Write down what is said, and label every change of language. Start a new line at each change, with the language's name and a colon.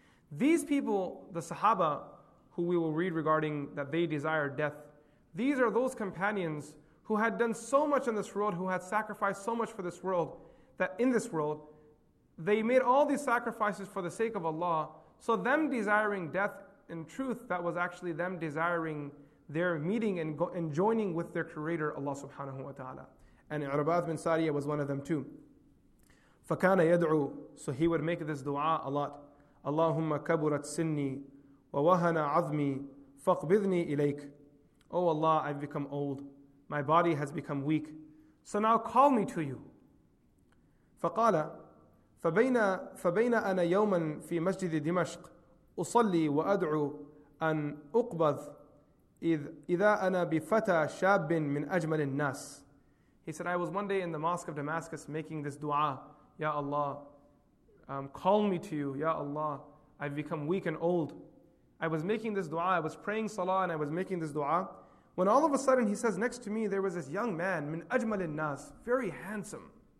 English: These people, the Sahaba, who we will read regarding that they desire death, these are those companions who had done so much in this world, who had sacrificed so much for this world, that in this world, they made all these sacrifices for the sake of Allah. So them desiring death, in truth, that was actually them desiring their meeting and joining with their creator, Allah subhanahu wa ta'ala. And Irbad bin Sariya was one of them too.
Arabic: فَكَانَ يَدْعُوا.
English: So he would make this dua a lot.
Arabic: اللهم كبرت سني ووهن عظمي فاقبضني إليك.
English: Oh Allah, I've become old. My body has become weak. So now call me to you.
Arabic: فقال فبين أنا يوما في مسجد دمشق أصلي وأدعو أن أقبض إذا أنا بفتى شاب من أجمل الناس.
English: He said, I was one day in the mosque of Damascus making this dua. Ya Allah, Call me to you, Ya Allah. I've become weak and old. I was making this dua, I was praying salah and I was making this dua. When all of a sudden he says, next to me there was this young man,
Arabic: min ajmal al-nas,
English: very handsome.